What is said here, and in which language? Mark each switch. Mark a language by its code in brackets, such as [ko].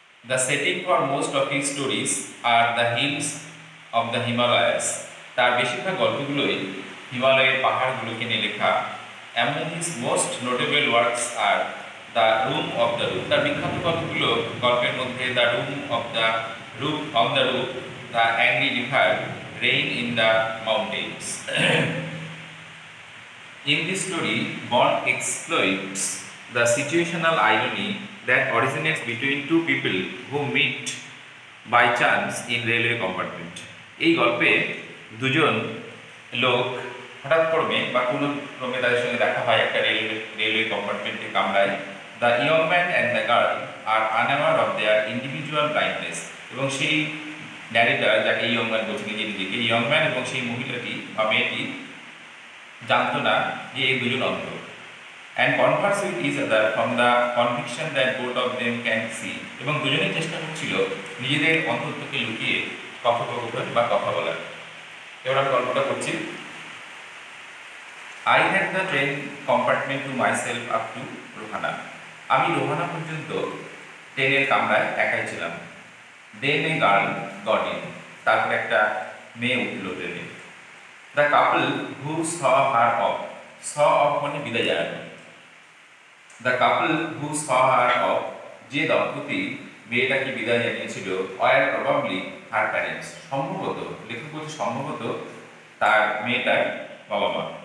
[en] The setting for most of his stories are the hills of the Himalayas. [bn] তার বেশিরভাগ গল্পগুলোই হিমালয়ের পাহাড়গুলোকে নিয়ে লেখা। [en] Among his most notable works are The Room of the Roof. [bn] তার বিখ্যাত গল্পগুলো গল্পের মধ্যে the room of the roof on the roof, the angry river, rain in the mountains. [en] In this story Bond exploits the situational irony that originates between two people who meet by chance in railway compartment. [bn] এই গল্পে দুজন লোক হঠাৎ করবে বা কোনো ক্রমে তাদের সঙ্গে দেখা হয় একটা রেলওয়ে কম্পার্টমেন্টের কামরায়। [en] the young man and the girl are unaware of their individual blindness, [bn] এবং সেই ন্যারেটর যাকে ইয়ং ম্যান বলছে নিজের নিজেকে, ইয়ং ম্যান এবং সেই মহিলাটি বা মেয়েটি জানতো না যে এই দুজন অন্ধ। [en] And converse with each other from the conviction that both of them can see. [bn] এবং দুজনেই চেষ্টা করছিল নিজেদের অন্তরকে লুকিয়ে কথোপকথন বা কথা বলার। এবার আমি গল্পটা করছি। [en] I had the train compartment to myself up to Rohana. [bn] আমি রোহানা পর্যন্ত ট্রেনের কামরায় একাই ছিলাম। [en] Then a girl got in. [bn] তারপর একটা মেয়ে উঠল প্রেমে। [en] the couple who saw her off, saw off [bn] মানে বিদায় জানানো। [en] the couple who saw her off, [bn] যে দম্পতি মেয়েটাকে বিদায় জানিয়েছিল, [en] were probably her parents, [bn] সম্ভবত, লেখক বলছে সম্ভবত তার মেয়েটার বাবা মা।